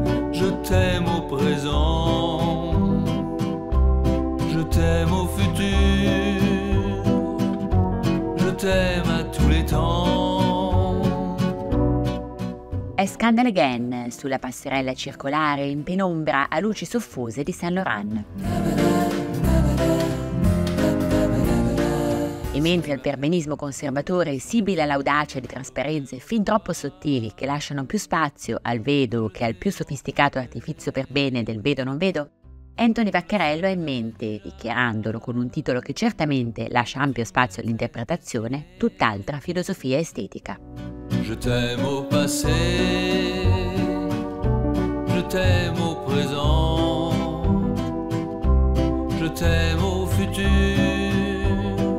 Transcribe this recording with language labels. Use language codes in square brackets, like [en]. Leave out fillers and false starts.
[fr] Je t'aime au présent, je t'aime au futur, je t'aime à tous les temps. [it] È Scandal Again sulla passerella circolare in penombra a luci soffuse di Saint Laurent. E mentre il perbenismo conservatore sibila l'audacia di trasparenze fin troppo sottili che lasciano più spazio al vedo che al più sofisticato artificio perbene del vedo non vedo, Anthony Vaccarello ha in mente, dichiarandolo con un titolo che certamente lascia ampio spazio all'interpretazione, tutt'altra filosofia estetica. [fr] Je t'aime au passé, je t'aime au présent, je t'aime au futur.